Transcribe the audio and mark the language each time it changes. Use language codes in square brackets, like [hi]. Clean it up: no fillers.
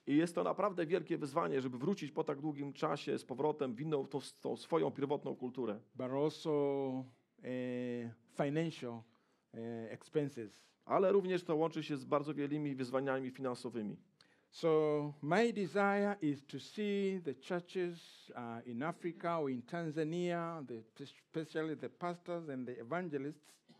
[pl] I jest to naprawdę wielkie wyzwanie, żeby wrócić po tak długim czasie z powrotem w inną, tą swoją pierwotną kulturę. [en] But also financial expenses. [pl] Ale również to łączy się z bardzo wielkimi wyzwaniami finansowymi. [en] So my desire is to see the churches in Africa or in Tanzania, especially the pastors and the evangelists.